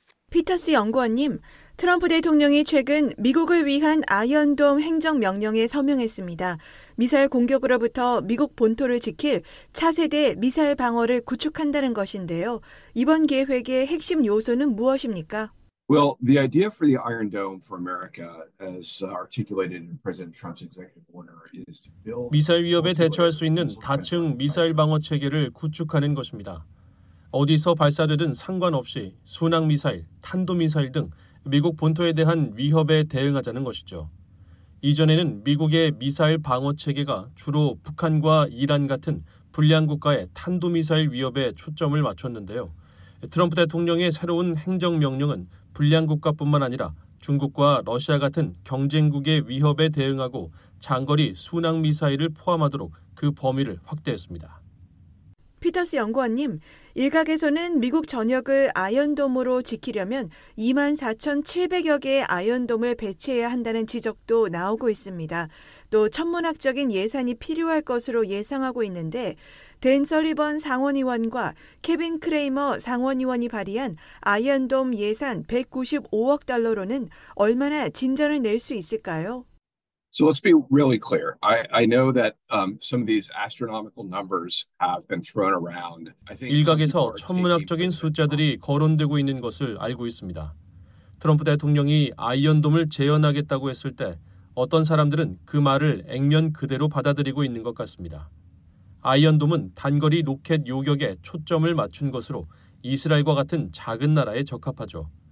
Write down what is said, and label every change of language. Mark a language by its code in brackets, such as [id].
[ko] 피터스 연구원님, 트럼프 대통령이 최근 미국을 위한 아이언돔 행정명령에 서명했습니다. 미사일 공격으로부터 미국 본토를 지킬 차세대 미사일 방어를 구축한다는 것인데요. 이번 계획의 핵심 요소는 무엇입니까? [en] Well, the idea for the Iron Dome for America, as articulated in President Trump's executive order, is to build [ko] 미사일 위협에 대처할 수 있는 다층 미사일 방어 체계를 구축하는 것입니다. 어디서 발사되든 상관없이 순항미사일, 탄도미사일 등 미국 본토에 대한 위협에 대응하자는 것이죠. 이전에는 미국의 미사일 방어 체계가 주로 북한과 이란 같은 불리한 국가의 탄도미사일 위협에 초점을 맞췄는데요. 트럼프 대통령의 새로운 행정명령은 불리한 국가뿐만 아니라 중국과 러시아 같은 경쟁국의 위협에 대응하고 장거리 순항미사일을 포함하도록 그 범위를 확대했습니다. 피터스 연구원님, 일각에서는 미국 전역을 아이언돔으로 지키려면 2만 4,700여 개의 아이언돔을 배치해야 한다는 지적도 나오고 있습니다. 또 천문학적인 예산이 필요할 것으로 예상하고 있는데 댄 설리번 상원의원과 케빈 크레이머 상원의원이 발의한 아이언돔 예산 195억 달러로는 얼마나 진전을 낼 수 있을까요? [en] So let's be really clear. I know that some of these astronomical numbers have been thrown around. I think [ko] 일각에서 천문학적인 숫자들이 거론되고 있는 것을 알고 있습니다. 트럼프 대통령이 아이언돔을 재현하겠다고 했을 때 어떤 사람들은 그 말을 액면 그대로 받아들이고 있는 것 같습니다. 아이언돔은 단거리 로켓 요격에 초점을 맞춘 것으로 이스라엘과 같은 작은 나라에 적합하죠.